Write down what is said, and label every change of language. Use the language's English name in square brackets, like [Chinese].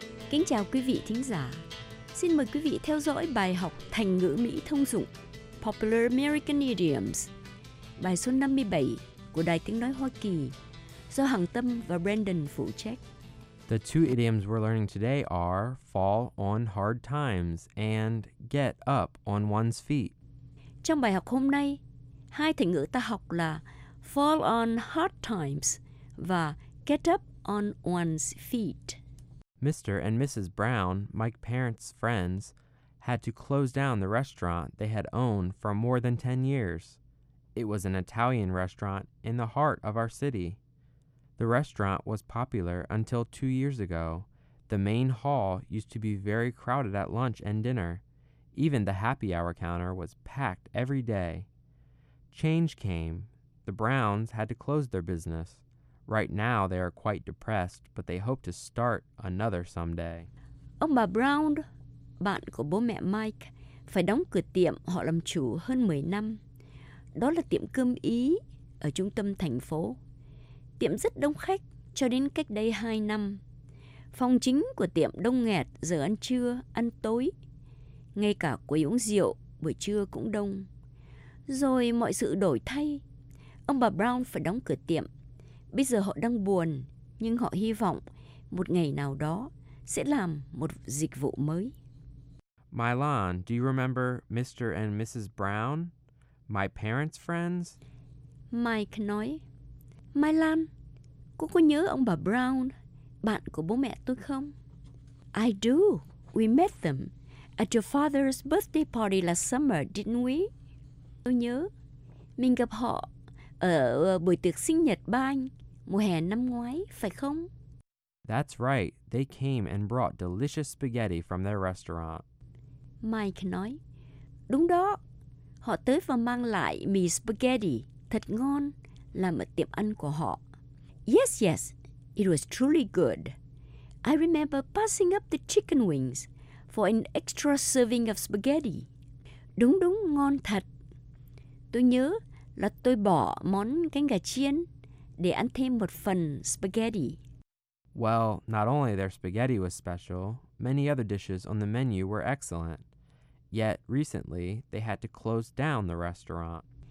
[Vietnamese] Kính chào quý vị thính giả. Xin mời quý vị theo dõi bài học thành ngữ Mỹ thông dụng Popular American Idioms, bài số 57 của Đài Tiếng Nói Hoa Kỳ, do Hằng Tâm và Brandon phụ trách. [English] The two idioms we're learning today are fall on hard times and get up on one's feet. [Vietnamese] Trong bài học hôm nay, hai thành ngữ ta học là fall on hard times và get up on one's feet. [English] Mr. and Mrs. Brown, Mike Parent's friends, had to close down the restaurant they had owned for more than 10 years. It was an Italian restaurant in the heart of our city. The restaurant was popular until 2 years ago. The main hall used to be very crowded at lunch and dinner. Even the happy hour counter was packed every day. Change came. The Browns had to close their business. Right now, they are quite depressed, but they hope to start another someday. [Vietnamese] Ông bà Brown, bạn của bố mẹ Mike, phải đóng cửa tiệm họ làm chủ hơn 10 năm. Đó là tiệm cơm Ý ở trung tâm thành phố. Tiệm rất đông khách cho đến cách đây 2 năm. Phòng chính của tiệm đông nghẹt giờ ăn trưa, ăn tối. Ngay cả quầy uống rượu buổi trưa cũng đông. Rồi mọi sự đổi thay. Ông bà Brown phải đóng cửa tiệm. Bây giờ họ đang buồn, nhưng họ hy vọng một ngày nào đó sẽ làm một dịch vụ mới. [English] Milan, do you remember Mr. and Mrs. Brown? My parents' friends? [Vietnamese] Mike nói, Milan, cô có nhớ ông bà Brown, bạn của bố mẹ tôi không? [English] I do. We met them at your father's birthday party last summer, didn't we? [Vietnamese] Tôi nhớ, mình gặp họ ở buổi tiệc sinh nhật ba anh mùa hè năm ngoái, phải không? [English] That's right. They came and brought delicious spaghetti from their restaurant. [Vietnamese] Mike nói, đúng đó. họ tới và mang lại mì spaghetti thật ngon, làm ở tiệm ăn của họ. [English] Yes, yes, it was truly good. I remember passing up the chicken wings for an extra serving of spaghetti. [Vietnamese] Đúng đúng, ngon thật. Tôi nhớ là tôi bỏ món cánh gà chiên để ăn thêm một phần spaghetti. [English] Well, not only their spaghetti was special, many other dishes on the menu were excellent. Yet, recently, they had to close down the restaurant.